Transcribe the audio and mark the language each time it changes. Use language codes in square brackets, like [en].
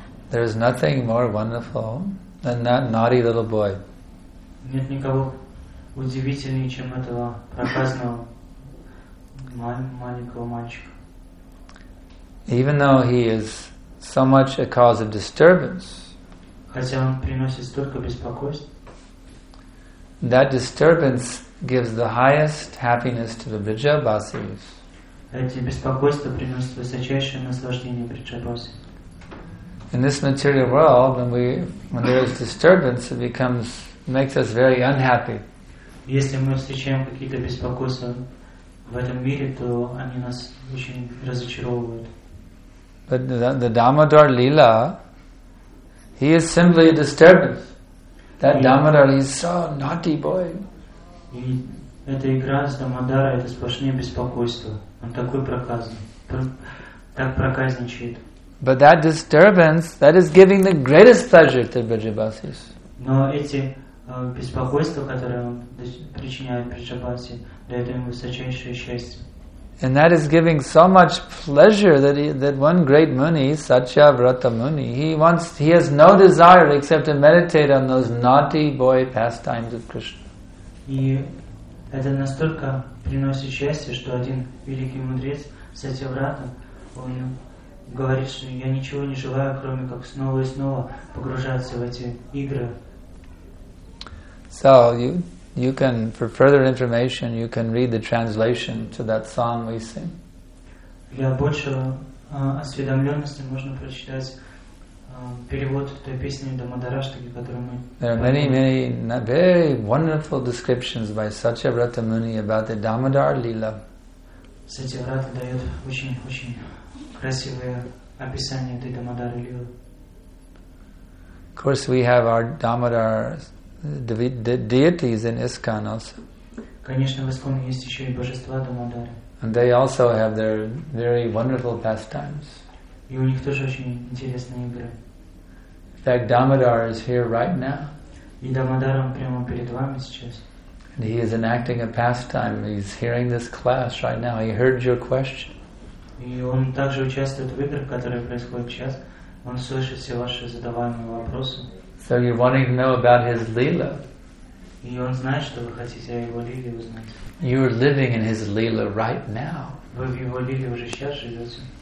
[en] There is nothing more wonderful than that naughty little boy. [ru] Нет никого удивительнее, чем этого проказного маленького мальчика. [en] Even though he is so much a cause of disturbance. [ru] Хотя он приносит столько беспокойств. [en] That disturbance gives the highest happiness to the Vrijavasis. [ru] эти беспокойства приносят высочайшее наслаждение преджабхасе. [en] In this material world, when there is disturbance, it becomes makes us very unhappy. [ru] Если мы встречаем какие-то беспокойства в этом мире, то они нас очень разочаровывают. [en] But the Damodar Lila, he is simply a disturbance. That Damodar is so naughty boy. [ru] И эта игра с Дамодара — это сплошные беспокойства. Он такой проказный, так проказничает. [en] But that disturbance, that is giving the greatest pleasure to Vrijabhasis. [ru] Но эти беспокойства, которые он причиняет Vrijabhasi, дают ему высочайшее счастье. [en] And that is giving so much pleasure that that one great muni, Satya Vrata Muni, he has no desire except to meditate on those naughty boy pastimes of Krishna. [ru] И это настолько приносит счастье, что один великий мудрец, Сатья Врата, он говорит, что я ничего не желаю, кроме как снова и снова погружаться в эти игры. [en] So you can, for further information, you can read the translation to that song we sing. [ru] Для большего осведомленности можно прочитать перевод той песни Дамодараштаки, которую мы... [en] There are many, many very wonderful descriptions by Satya Vrata Muni about the Damodar Lila. [ru] Сатья Врата дает очень-очень красивое описание этой Дамодар Лилы. [en] Of course, we have our Дамодар deities in ISKCON also. [ru] Конечно, в ISKCON есть еще и божества Дамодары. [en] And they also have their very wonderful pastimes. [ru] И у них тоже очень интересные игры. [en] In fact, Дамодар is here right now. [ru] И Дамодар прямо перед вами сейчас. [en] And he is enacting a pastime. He's hearing this class right now. He heard your question. [ru] И он также участвует в играх, которые происходят сейчас. Он слышит все ваши задаваемые вопросы. [en] So you're wanting to know about his lila. [ru] И он знает, что вы хотите о его лиле узнать. [en] You're living in his lila right now. [ru] Вы в его лиле уже сейчас живете.